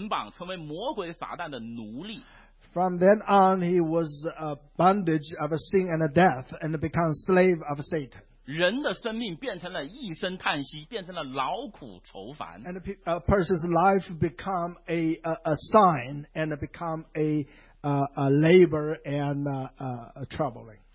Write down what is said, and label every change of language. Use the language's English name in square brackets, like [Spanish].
[Chinese] 从此被罪和死亡捆绑，成为魔鬼撒旦的奴隶。 [English] From then on, he was a bondage of a sin and a death, and became slave of Satan. [Chinese] 人的生命变成了一声叹息，变成了劳苦愁烦。 [English] And a person's life become a sign and become a labor and a troubling.